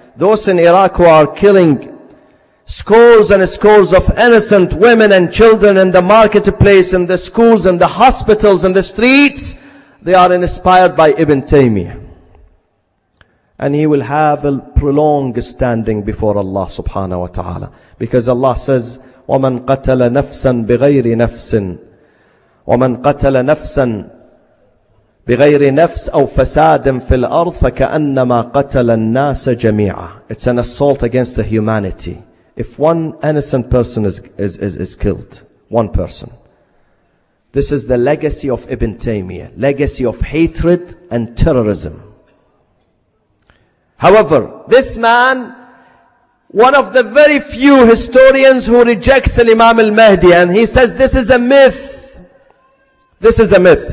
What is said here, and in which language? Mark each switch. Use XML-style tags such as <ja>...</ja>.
<en>Those in Iraq who are killing scores and scores of innocent women and children in the marketplace, in the schools, in the hospitals, in the streets, they are inspired by Ibn Taymiyyah. And he will have a prolonged standing before Allah subhanahu wa ta'ala. Because Allah says,</en> <ar>وَمَنْ قَتَلَ نَفْسًا بِغَيْرِ نَفْسٍ وَمَنْ قَتَلَ نَفْسًا بِغَيْرِ نَفْسٍ أَوْ فَسَادٍ فِي الْأَرْضِ فَكَأَنَّمَا قَتَلَ النَّاسَ جَمِيعًا.</ar> <en>It's an assault against the humanity. If one innocent person is killed, one person. This is the legacy of Ibn Taymiyyah, legacy of hatred and terrorism. However, this man, one of the very few historians who rejects Imam al-Mahdi, and he says this is a myth. This is a myth.</en>